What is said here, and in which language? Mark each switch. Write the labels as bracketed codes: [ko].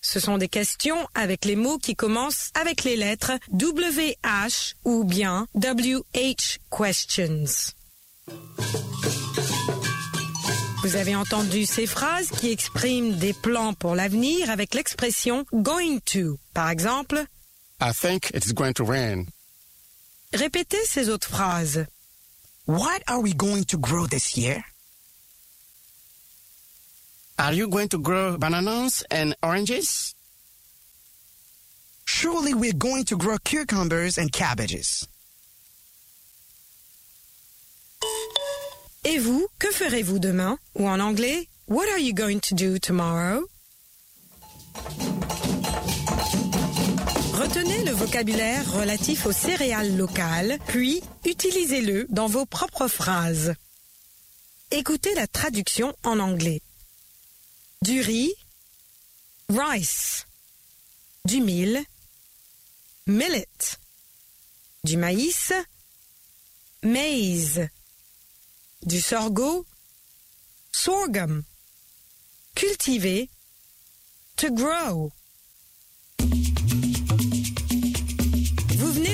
[fr] Ce sont des questions avec les mots qui commencent avec les lettres « wh » ou bien « wh questions ». Vous avez entendu ces phrases qui expriment des plans pour l'avenir avec l'expression « going to ». Par exemple, [en] « I think it's going to rain ». [fr] Répétez ces autres phrases. [en] « What are we going to grow this year ?» Are you going to grow bananas and oranges? Surely we're going to grow cucumbers and cabbages. [fr] Et vous, que ferez-vous demain? Ou en anglais, [en] what are you going to do tomorrow? [fr] Retenez le vocabulaire relatif aux céréales locales, puis utilisez-le dans vos propres phrases. Écoutez la traduction en anglais. Du riz, rice, du mil, millet, du maïs, maize, du sorgho, sorghum, cultiver, [en] to grow. [fr] Vous venez